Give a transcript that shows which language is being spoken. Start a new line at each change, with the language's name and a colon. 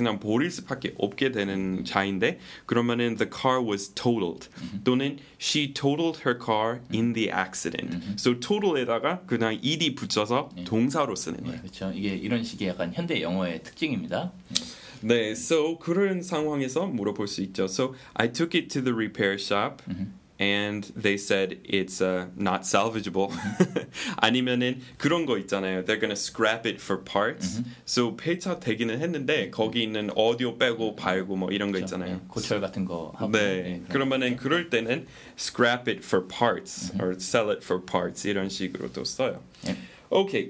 Korean: 그냥 버릴 수밖에 없게 되는 차인데 그러면은
English: the car was totaled 또는 she totaled her car in the accident.
Korean: So total에다가 그냥 ed 붙여서 동사로 쓰는 거예요. 그렇죠. 이게 이런 식의 약간 현대 영어의 특징입니다. 네, so 그런 상황에서 물어볼 수 있죠.
English: So I took it to the repair shop. And they said it's not salvageable.
Korean: 아니면은 그런 거 있잖아요.
English: They're gonna scrap it for parts.
Korean: So 폐차 되기는 했는데 거기 있는 오디오 빼고 발고 뭐 이런 거 있잖아요. 고철 같은 거. 네. 그러면은 그럴 때는
English: scrap it for parts
Korean: or sell it for parts 이런 식으로도 써요. Okay.